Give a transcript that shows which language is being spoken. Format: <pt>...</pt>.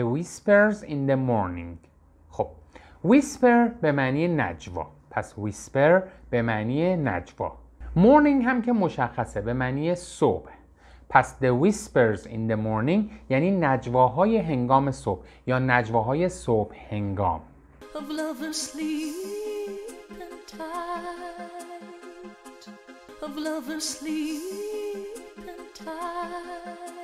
<en>The whispers in the morning.</en> <fa>Whisper به معنی نجوا. پس whisper به معنی نجوا. Morning هم که مشخصه به معنی صبح. پس</fa> <en>the whispers in the morning</en> <fa>یعنی نجواهای هنگام صبح یا نجواهای صبح هنگام.</fa> <en>Of love asleep and tight. Of love asleep and tight.</en>